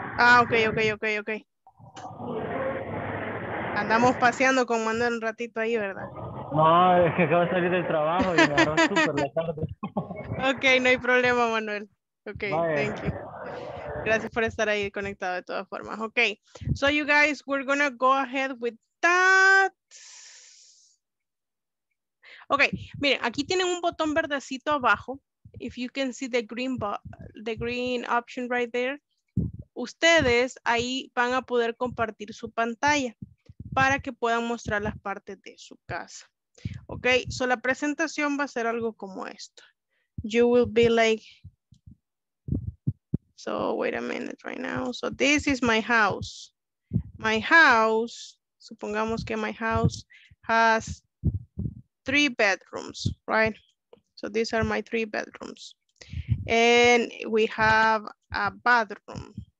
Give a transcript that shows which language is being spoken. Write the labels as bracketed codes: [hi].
[es] Ah, ok, ok, ok, ok. Andamos paseando con Manuel un ratito ahí, ¿verdad? No, es que acabo de salir del trabajo y me agarró súper la tarde. Ok, no hay problema, Manuel. Ok, [en] thank you. [es] Gracias por estar ahí conectado de todas formas. [en] Ok, so you guys, we're gonna go ahead with that. [es] Ok, miren, aquí tienen un botón verdecito abajo. [en] If you can see the green option right there. [es] Ustedes ahí van a poder compartir su pantalla para que puedan mostrar las partes de su casa. [en] Ok, so [es] la presentación va a ser algo como esto. [en] You will be like, so wait a minute right now. So this is my house. My house, [es] supongamos que [en] my house has 3 bedrooms, right? So these are my 3 bedrooms. And we have a bathroom.